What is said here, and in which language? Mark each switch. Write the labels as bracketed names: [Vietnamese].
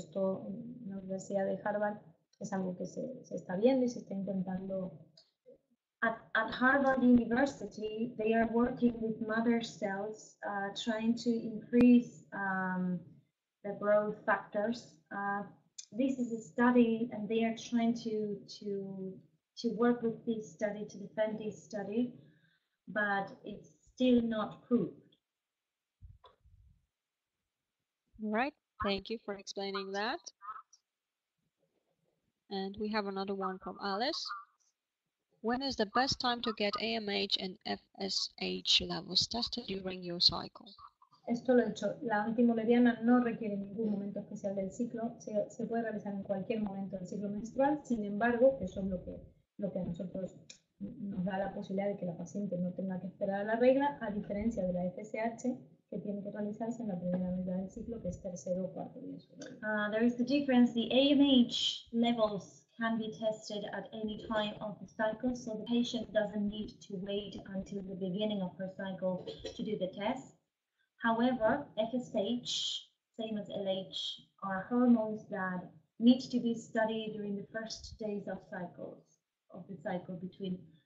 [Spanish] Esto en la Universidad de Harvard es algo que se está viendo y se está intentando. [English] At Harvard University, they are working with mother cells, trying to increase the growth factors. This is a study, and they are trying to work with this study to defend this study, but it's still not proved. Right. Thank you for explaining that. And we have another one from Alice. When is the best time to get AMH and FSH levels tested during your cycle? [Spanish] Esto lo he hecho. La antimoleviana no requiere ningún momento especial del ciclo. Se puede realizar en cualquier momento del ciclo menstrual. Sin embargo, eso es lo que a nosotros nos da la posibilidad de que la paciente no tenga que esperar a la regla, a diferencia de la FSH, que tiene que realizarse en la primera mitad del ciclo, que es tercero o cuarto día. [English] There is the difference. The AMH levels can be tested at any time of the cycle, so the patient doesn't need to wait until the beginning of her cycle to do the test. However, FSH, same as LH, are hormones that need to be studied during the first days of cycles, between